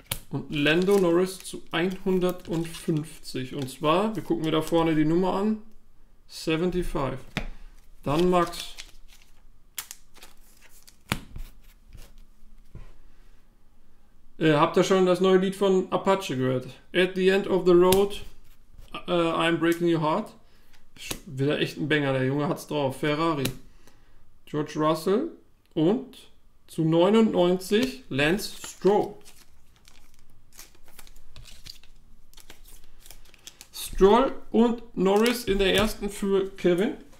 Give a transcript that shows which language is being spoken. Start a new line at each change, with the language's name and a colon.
German: Und Lando Norris zu 150. Und zwar, wir gucken wir da vorne die Nummer an. 75. Dann Max. Habt ihr schon das neue Lied von Apache gehört?
English: At the end of the road, I'm breaking your heart.
German: Wieder echt ein Banger, der Junge hat's drauf. Ferrari. George Russell. Und zu 99 Lance Stroll. Stroll und Norris in der ersten für Kevin.